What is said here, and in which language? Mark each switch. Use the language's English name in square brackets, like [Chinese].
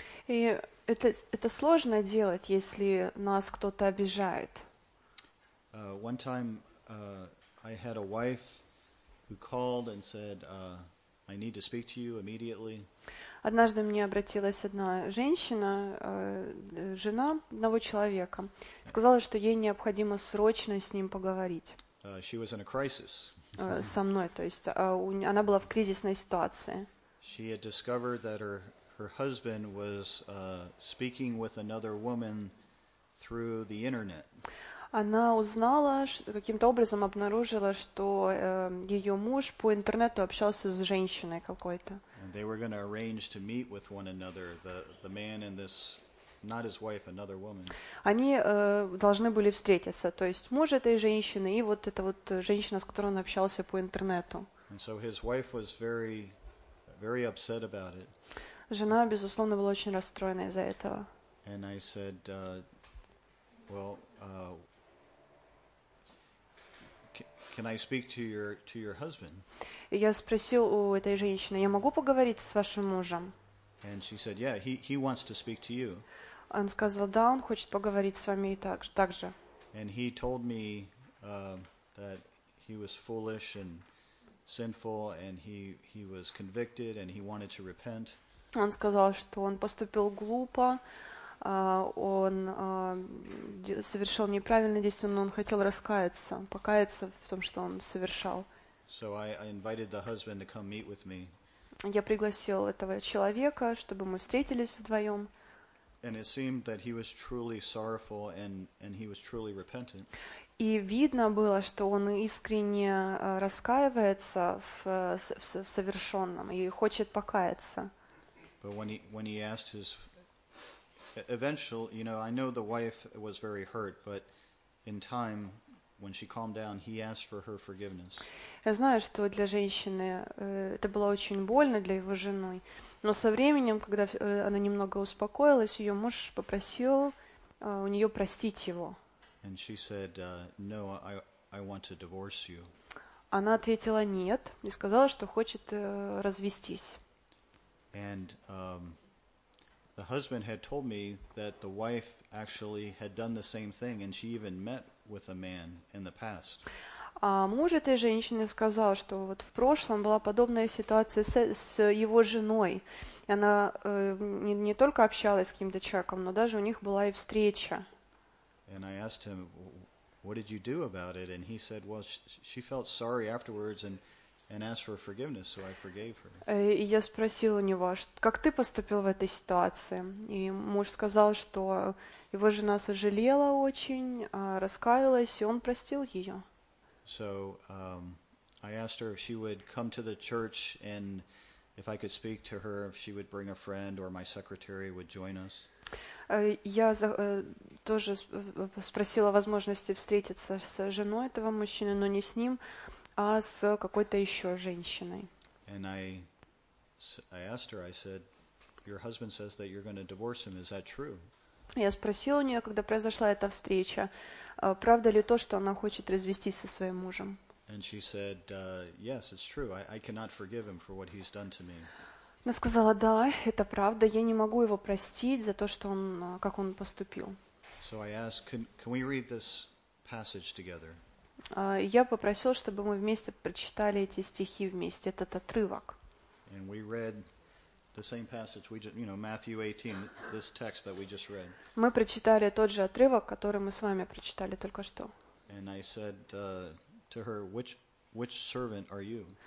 [Russian] И это сложно делать, если нас кто-то обижает. [English] One time I had a wife who called and said, I need to speak to you immediately. [Russian] Однажды мне обратилась одна женщина, жена одного человека, сказала, что ей необходимо срочно с ним поговорить. [English] She was in a crisis. [Russian] Со мной, то есть она была в кризисной ситуации. [English] She had discovered that her husband was speaking with another woman through the internet. [Russian] Она узнала, каким-то образом обнаружила, что ее муж по интернету общался с женщиной какой-то. [English] And they were going to arrange to meet with one another, the man and this, not his wife, another woman. [Russian] Они должны были встретиться, то есть муж этой женщины и вот эта вот женщина, с которой он общался по интернету. [English] And so his wife was very, very upset about it. [Russian] Жена, безусловно, была очень расстроена из-за этого. [English] And I said, well, can I speak to your husband? [Russian] Я спросил у этой женщины, я могу поговорить с вашим мужем? [English] And she said, yeah, he wants to speak to you. [Russian] Он сказал, да, он хочет поговорить с вами и так же. [English] And he told me that he was foolish and sinful and he was convicted and he wanted to repent. [Russian] Он сказал, что он поступил глупо, он совершил неправильное действие, но он хотел раскаяться, покаяться в том, что он совершал. [English] So I invited the husband to come meet with me. [Russian] Я пригласил этого человека, чтобы мы встретились вдвоем. [English] And it seemed that he was truly sorrowful and he was truly repentant. [Russian] И видно было, что он искренне раскаивается в совершенном и хочет покаяться. [English] But when he asked his eventual, you know, I know the wife was very hurt, but in time, when she calmed down, he asked for her forgiveness. [Russian] Я знаю, что для женщины это было очень больно для его жены, но со временем, когда она немного успокоилась, ее муж попросил у нее простить его. [English] And she said, no, I, I want to divorce you. [Russian] Она ответила нет и сказала, что хочет развестись. [English] And the husband had told me that the wife actually had done the same thing, and she even met with a man in the past. [Russian] А муж этой женщины сказал, что вот в прошлом была подобная ситуация с его женой. И она не только общалась с каким-то человеком, но даже у них была и встреча. [English] And I asked him, what did you do about it? And he said, well, she felt sorry afterwards and asked for forgiveness, so I forgave her. [Russian] И я спросила у него, как ты поступил в этой ситуации? И муж сказал, что его жена сожалела очень, раскаялась, и он простил ее. [English] So I asked her if she would come to the church and if I could speak to her, if she would bring a friend or my secretary would join us. [Russian] Я тоже спросила о возможности встретиться с женой этого мужчины, но не с ним, а с какой-то еще женщиной. [English] And I asked her, I said, your husband says that you're going to divorce him, is that true? [Russian] Я спросила у нее, когда произошла эта встреча, правда ли то, что она хочет развестись со своим мужем? [English] And she said, yes, it's true. I cannot forgive him for what he's done to me. [Russian] Она сказала, да, это правда, я не могу его простить за то, что он, как он поступил. [English] So I asked, can we read this passage together? [Russian] Я попросила, чтобы мы вместе прочитали эти стихи вместе, этот отрывок. [English] And we read the same passage, we just, you know, Matthew 18, this text that we just read. [Russian] Мы прочитали тот же отрывок, который мы с вами прочитали только что. [English] And I said to her, which servant are you?